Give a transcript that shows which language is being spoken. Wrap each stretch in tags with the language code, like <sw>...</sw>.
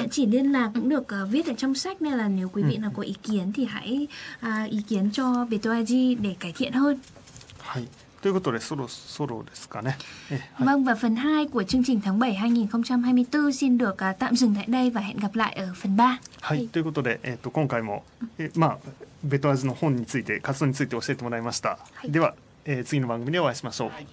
<vi>Địa chỉ liên lạc cũng được viết ở trong sách nên là nếu quý vị nào có ý kiến thì hãy ý kiến cho Beto Aji để cải thiện hơn. Hãy.</vi> <ja>ということでそろですかね。</ja> <vi>Vâng và phần 2 của chương trình tháng 7 2024 xin được tạm dừng tại đây và hẹn gặp lại ở phần 3.</vi> <ja>はい、ということで、今回も、まあ、ベトアジの本について、活動について教えてもらいました。はい、では、次の番組でお会いしましょう。</ja>